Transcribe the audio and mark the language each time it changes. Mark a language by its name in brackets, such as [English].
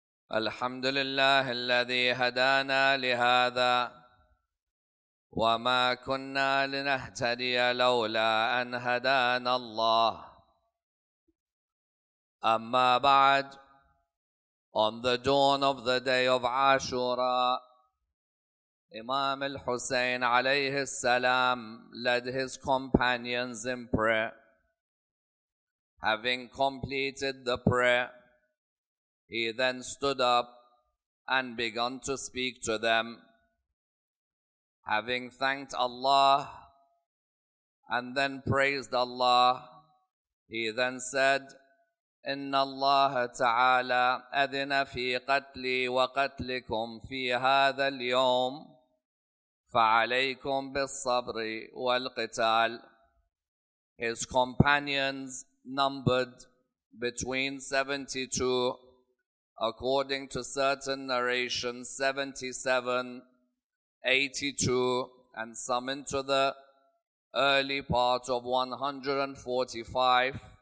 [Arabic] الحمد لله الذي هدانا لهذا وما كنا لنهتدي لولا أن هدانا الله. أما بعد، [English] on the dawn of the day of Ashura, Imam al-Hussein عليه السلام led his companions in prayer. Having completed the prayer, he then stood up and began to speak to them. Having thanked Allah and then praised Allah, he then said, [Arabic] إِنَّ اللَّهَ تَعَالَىٰ أَذِنَ فِي قَتْلِي وَقَتْلِكُمْ فِي هَذَا الْيَوْمِ فَعَلَيْكُمْ بِالصَّبْرِ وَالْقِتَالِ. [English] His companions numbered between 72, according to certain narrations, 77, 82, and some into the early part of 145.